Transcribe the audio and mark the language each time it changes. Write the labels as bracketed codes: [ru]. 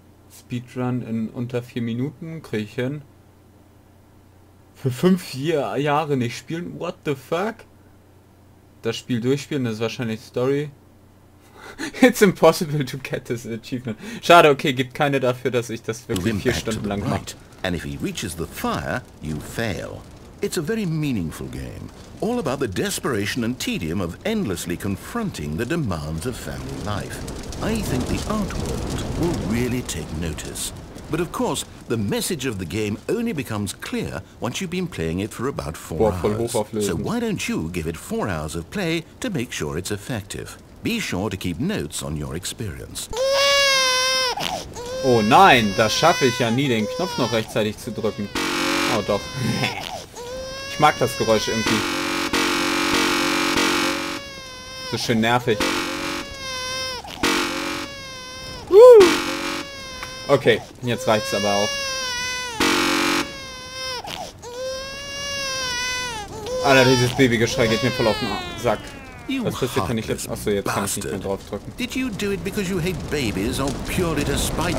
[de] Speedrun in unter 4 Minuten kriege ich hin. Für 5 Jahre nicht spielen? [en] What the fuck? [de] Das Spiel durchspielen, das ist wahrscheinlich Story. [en] It's impossible to get this achievement. [de] Schade, okay, gibt keine dafür, dass ich das wirklich 4 Stunden lang mache. [en] And if he reaches the fire, you fail. It's a very meaningful game. All about the desperation and tedium of endlessly confronting the demands of family life. I think the art world will really take notice. But of course, the message of the game only becomes clear once you've been playing it for about 4 hours. So why don't you give it 4 hours of play to make sure it's effective? Be sure to keep notes on your experience. [de] Oh nein, das schaffe ich ja nie, den Knopf noch rechtzeitig zu drücken. Oh doch. Ich mag das Geräusch irgendwie. So schön nervig. Okay, jetzt reicht's aber auch. Alter, dieses Babygeschrei geht mir voll auf den Sack. Was passiert, kann ich jetzt... Achso, jetzt kann ich nicht mehr draufdrücken. [en] Did you do it because you hate babies or purely to spite me?